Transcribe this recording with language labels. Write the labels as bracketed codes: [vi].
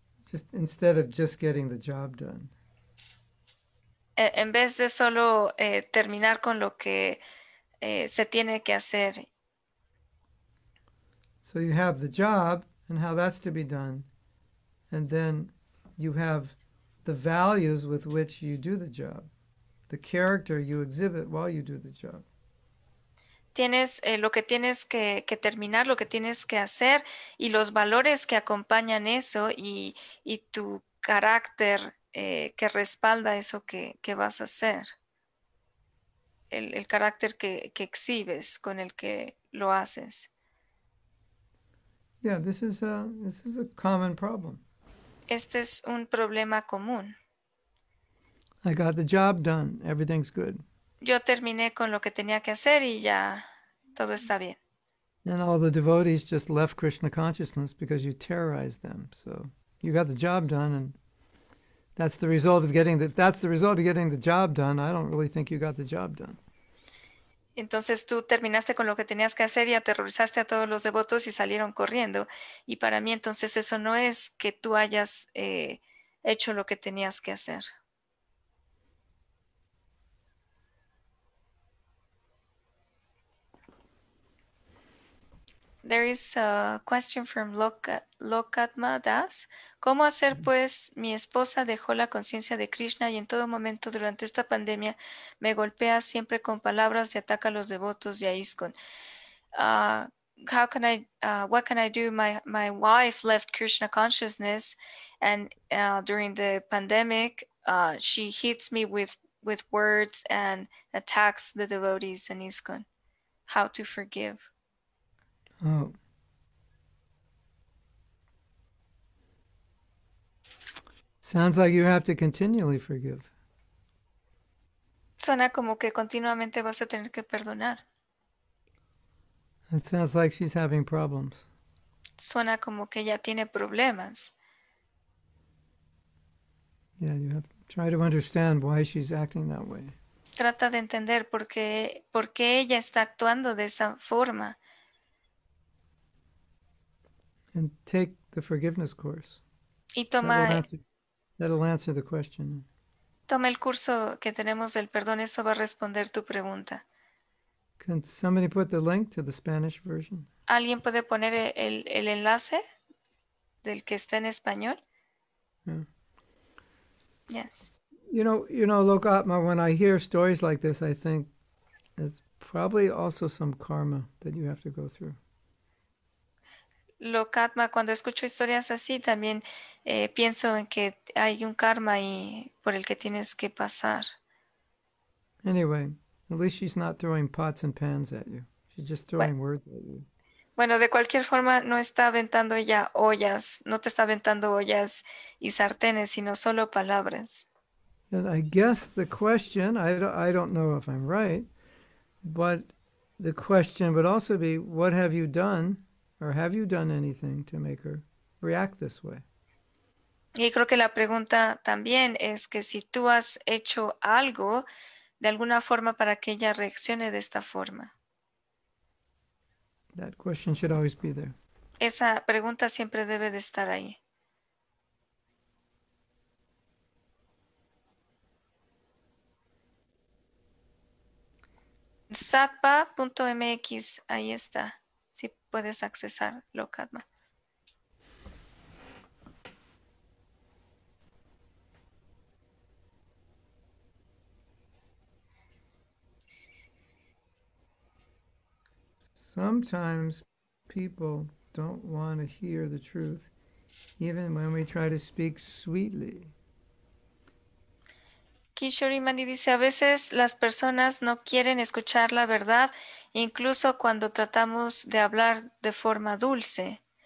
[en] Just instead of just getting the job done. [es] En vez de solo terminar con lo que se tiene que hacer. [en] So you have the job and how that's to be done. And then you have the values with which you do the job. The character you exhibit while you do the job. [es] Tienes lo que tienes que terminar, lo que tienes que hacer y los valores que acompañan eso y tu carácter que respalda eso que vas a hacer. El carácter que exhibes con el que lo haces. [en] Yeah, this is a common problem. [es] Este es un problema común. [en] I got the job done. Everything's good. [es] Yo terminé con lo que tenía que hacer y ya. Todo está bien. [en] And all the devotees just left Krishna consciousness because you terrorized them. So you got the job done and That's the result of getting the, if that's the result of getting the job done, I don't really think you got the job done. [es] Entonces tú terminaste con lo que tenías que hacer y aterrorizaste a todos los devotos y salieron corriendo. Y para mí entonces eso no es que tú hayas hecho lo que tenías que hacer. [en] There is a question from Lokatma Das. [es] ¿Cómo hacer pues mi esposa dejó la conciencia de Krishna y en todo momento durante esta pandemia me golpea siempre con palabras y ataca a los devotos de ISKCON? [en] What can I do? My wife left Krishna consciousness and during the pandemic she hits me with words and attacks the devotees in ISKCON. How to forgive? Oh. Sounds like you have to continually forgive. [es] Suena como que continuamente vas a tener que perdonar. [en] It sounds like she's having problems. [es] Suena como que ya tiene problemas. [en] Yeah, you have to try to understand why she's acting that way. [es] Trata de entender por qué ella está actuando de esa forma. [en] And take the forgiveness course. [es] Y [en] That'll answer the question. [es] toma el curso que tenemos del perdón, eso va a responder tu pregunta. [en] Can somebody put the link to the Spanish version? [es] ¿Alguien puede poner el enlace del que está en español? [en] Yeah. Yes. Lokatma, when I hear stories like this, I think it's probably also some karma that you have to go through. [es] Lokatma, cuando escucho historias así, también pienso en que hay un karma y por el que tienes que pasar. [en] Anyway, at least she's not throwing pots and pans at you. She's just throwing words at you. [es] Bueno, de cualquier forma, no está aventando ya ollas, no te está aventando ollas y sartenes, sino solo palabras. [en] And I guess the question, I don't know if I'm right, but the question would also be, what have you done, or have you done anything to make her react this way? [es] Y creo que la pregunta también es que si tú has hecho algo de alguna forma para que ella reaccione de esta forma. [en] That question should always be there. [es] Esa pregunta siempre debe de estar ahí. Satpa.mx, ahí está. Si puedes accesar Lokatma. [en] Sometimes people don't want to hear the truth, even when we try to speak sweetly. [es] Kishori Mani dice, a veces las personas no quieren escuchar la verdad, incluso cuando tratamos de hablar de forma dulce.